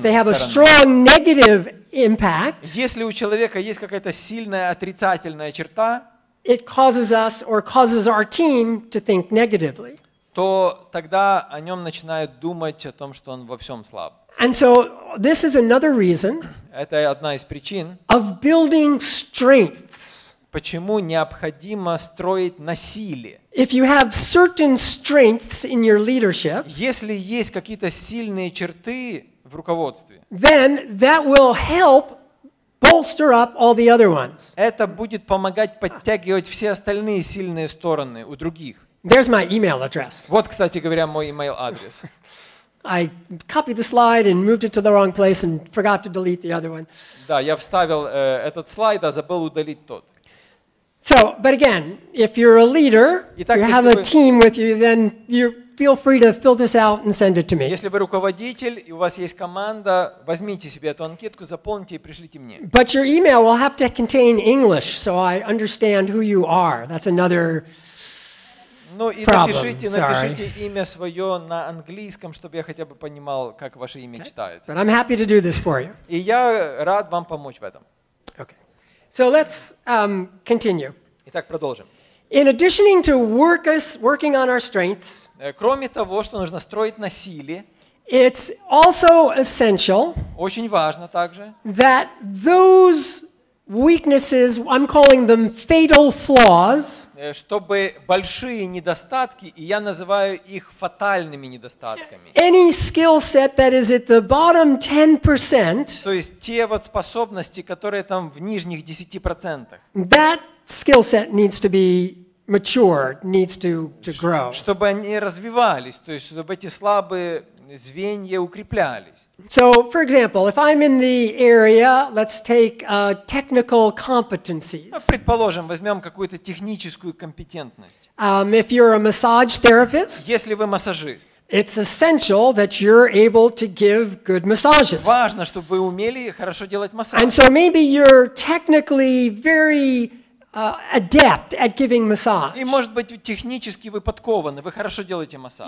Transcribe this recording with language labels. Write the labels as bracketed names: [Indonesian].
[English] If they have a strong negative impact, [Russian] если у человека есть какая-то сильная отрицательная черта, [English] it causes us or causes our team to think negatively. [Russian] То тогда о нем начинают думать о том, что он во всем слаб. [English] And so this is another reason. [Russian] Это одна из причин. [English] Of building strengths. [Russian] Почему необходимо строить на силе? [English] If you have certain strengths in your leadership. [Russian] Если есть какие-то сильные черты в руководстве. [English] Then that will help bolster up all the other ones. [Russian] Это будет помогать подтягивать все остальные сильные стороны у других. [English] There's my email address. [Russian] Вот, кстати говоря, мой email адрес. [English] I copied the slide and moved it to the wrong place and forgot to delete the other one. [Russian] Да, я вставил этот слайд, а забыл удалить тот. [English] So, but again, if you're a leader, [Russian] Итак, [English] you have [Russian] вы... [English] a team with you, then you feel free to fill this out and send it to me. [Russian] Если вы руководитель и у вас есть команда, возьмите себе эту анкетку, заполните и пришлите мне. [English] But your email will have to contain English, so I understand who you are. That's another. [Russian] Ну и напишите имя свое на английском, чтобы я хотя бы понимал, как ваше имя читается. [English] But I'm happy to do this for you. [Russian] И я рад вам помочь в этом. [English] Okay. So let's continue. [Russian] Итак, продолжим. [English] In addition to working on our strengths, [Russian] кроме того, что нужно строить на силе, [English] it's also essential, [Russian] очень важно также, [English] that those weaknesses, I'm calling them fatal flaws, [Russian] чтобы большие недостатки, и я называю их фатальными недостатками. [English] Any skill set that is at the bottom 10%, [Russian] то есть те вот способности, которые там в нижних 10%, [English] that skill set needs to be matured, needs to grow. [Russian] Чтобы они развивались, то есть чтобы эти слабые звенья укреплялись. [English] So, for example, if I'm in the area, let's take technical competencies. [Russian] Ну, предположим, возьмем какую-то техническую компетентность. [English] If you're a massage therapist, [Russian] если вы массажист, [English] it's essential that you're able to give good massages. [Russian] Важно, чтобы вы умели хорошо делать массаж. [English] And so maybe you're technically very adept at giving massage. [Russian] И может быть, технически вы подкованы, вы хорошо делаете массаж.